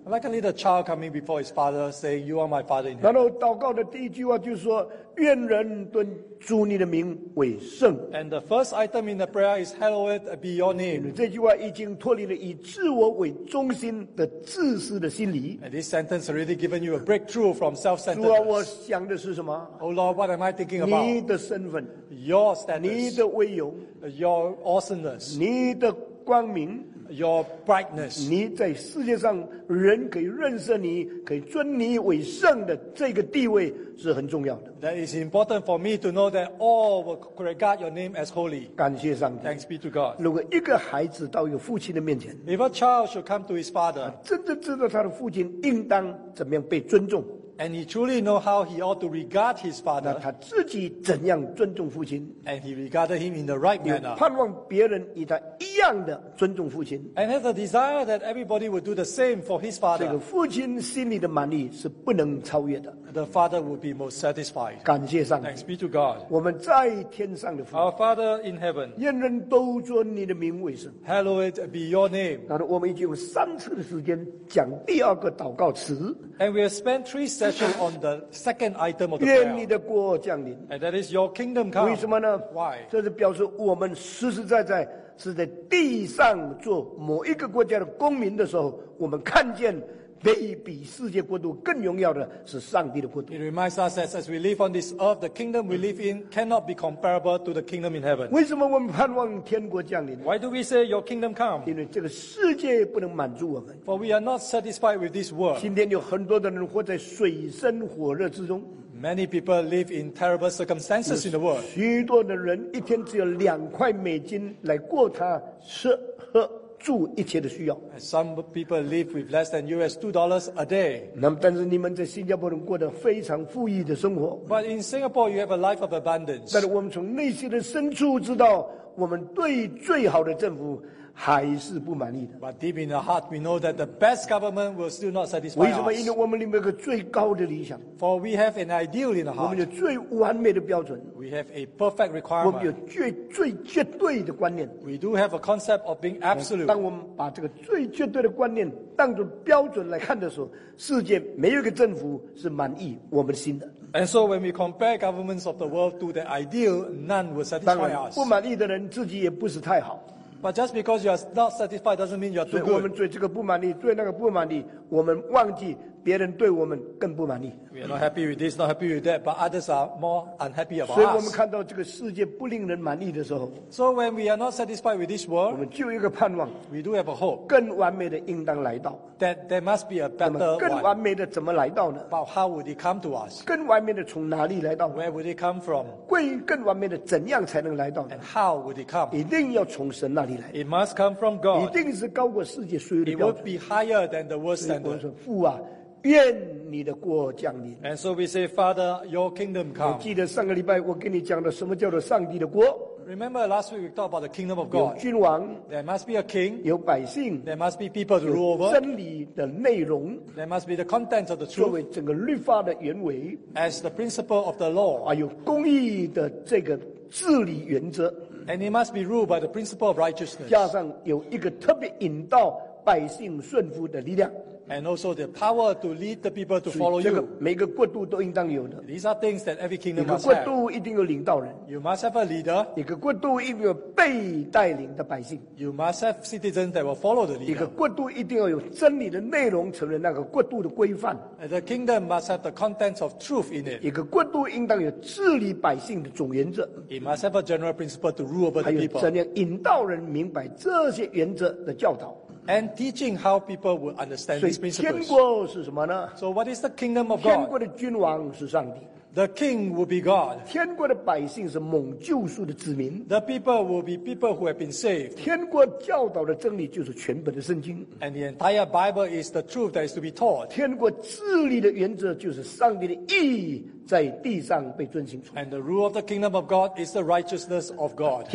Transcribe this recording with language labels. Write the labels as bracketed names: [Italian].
[English] Like a little child coming before his father saying, you are my father in heaven. [Chinese] 然后祷告的第一句话就是说，愿人尊主你的名为圣。 [English] And the first item in the prayer is, hallowed be your name. [Chinese] 这句话已经脱离了以自我为中心的自私的心理。 [English] And this sentence has already given you a breakthrough from self-centeredness. [Chinese] 主啊，我想的是什么？ [English] Oh Lord, what am I thinking about? [Chinese] 你的身份。 [English] Your status. [Chinese] 你的威荣。 [English] Your awesomeness. [Chinese] 你的光明。 [English] Your brightness. [Chinese] 你在世界上人可以认识你，可以尊你为圣的这个地位是很重要的。 [English] That is important for me to know that all will regard your name as holy. [Chinese] 感谢上帝。 [English] Thanks be to God. [Chinese] 如果一个孩子到一个父亲的面前， [English] If a child should come to his father, [Chinese] 真正知道他的父亲应当怎么样被尊重。 [English] And he truly know how he ought to regard his father. [Chinese] 那他自己怎样尊重父亲？ [English] And he regarded him in the right manner. [Chinese] 有盼望别人与他一样的尊重父亲。 [English] And has a desire that everybody would do the same for his father. [Chinese] 这个父亲心里的满意是不能超越的。 [English] The father would be most satisfied. [Chinese] 感谢上帝。 [English] Thanks be to God. [Chinese] 我们在天上的父。 [English] Our Father in heaven. [Chinese] 愿人都尊你的名为圣。 [English] Hallowed be your name. [Chinese] 然后我们已经用三次的时间讲第二个祷告词。 [English] And we have spent three sessions. On the second item of the prayer. [Chinese] 愿你的国降临。 [English] And that is your kingdom come. [Chinese] 为什么呢？ [English] Why? [Chinese] 这是表示我们实实在在是在地上做某一个国家的公民的时候，我们看见比世界国度更荣耀的是上帝的国度。 [English] It reminds us that as we live on this earth, the kingdom we live in cannot be comparable to the kingdom in heaven. [Chinese] 为什么我们盼望天国降临？ [English] Why do we say your kingdom come? [Chinese] 因为这个世界不能满足我们。 [English] For we are not satisfied with this world. [Chinese] 今天有很多的人活在水深火热之中。 [English] Many people live in terrible circumstances in the world. [Chinese] 许多的人一天只有$2来过他吃喝。住一切的需要。 [English] Some people live with less than $2 a day. [Chinese] 那么，但是你们在新加坡人过得非常富裕的生活。 [English] But in Singapore, you have a life of abundance. [Chinese] 但是我们从内心的深处知道，我们对最好的政府还是不满意的。 [English] But deep in our heart, we know that the best government will still not satisfy us. [Chinese] 为什么？因为我们里面有个最高的理想。 [English] For we have an ideal in our heart. [Chinese] 我们有最完美的标准。 [English] We have a perfect requirement. [Chinese] 我们有最绝对的观念。 [English] We do have a concept of being absolute. [Chinese] 当我们把这个最绝对的观念当作标准来看的时候，世界没有一个政府是满意我们的心的。 [English] And so when we compare governments of the world to the ideal, none will satisfy us. [Chinese] 当然，不满意的人自己也不是太好。 [English] But just because you are not satisfied doesn't mean you are too good. [Chinese] 所以我们对这个不满意，对那个不满意，我们忘记别人对我们更不满意。 [English] We are not happy with this, not happy with that, but others are more unhappy about us. [Chinese] 所以我们看到这个世界不令人满意的时候， [English] So when we are not satisfied with this world, [Chinese] 我们就有一个盼望， [English] We do have a hope. [Chinese] 更完美的应当来到。 [English] That there must be a better one. [Chinese] 更完美的怎么来到呢？ [English] But how would it come to us? [Chinese] 更完美的从哪里来到？ [English] Where would it come from? [Chinese] 更完美的怎样才能来到呢？ [English] And how would it come? [Chinese] 一定要从神那里来。 [English] It must come from God. [Chinese] 一定是高过世界所有的标准。 [English] It would be higher than the world standard. [Chinese] 所以我说，父啊，愿你的国降临。 [English] And so we say, Father, your kingdom come. [Chinese] 我记得上个礼拜我跟你讲的什么叫做上帝的国。 [English] Remember last week we talked about the kingdom of God. [Chinese] 有君王。 [English] There must be a king. [Chinese] 有百姓。 [English] There must be people to rule over. [Chinese] 真理的内容。 [English] There must be the content of the truth. [Chinese] 作为整个律法的原委。 [English] As the principle of the law. [Chinese] 还有公义的这个治理原则。 [English] And it must be ruled by the principle of righteousness. [Chinese] 加上有一个特别引导百姓顺服的力量。 [English] And also the power to lead the people to follow you. [Chinese] 每个国度都应当有的。 [English] These are things that every kingdom must have. [Chinese] 一个国度一定有领导人。 [English] You must have a leader. [Chinese] 一个国度一定有被带领的百姓。 [English] You must have citizens that will follow the leader. [Chinese] 一个国度一定要有真理的内容成为那个国度的规范。 [English] The kingdom must have the contents of truth in it. [Chinese] 一个国度应当有治理百姓的总原则。 [English] It must have a general principle to rule over the people. [Chinese] 还有怎样引导人明白这些原则的教导。 [English] And teaching how people will understand these principles. [Chinese] 天国是什么呢? [English] So what is the kingdom of God? [Chinese] 天国的君王是上帝。 [English] The king will be God. [Chinese] 天国的百姓是蒙救赎的子民。 [English] The people will be people who have been saved. [Chinese] 天国教导的真理就是全本的圣经。 [English] And the entire Bible is the truth that is to be taught. [Chinese] 天国治理的原则就是上帝的义在地上被遵行出。 [English] And the rule of the kingdom of God is the righteousness of God.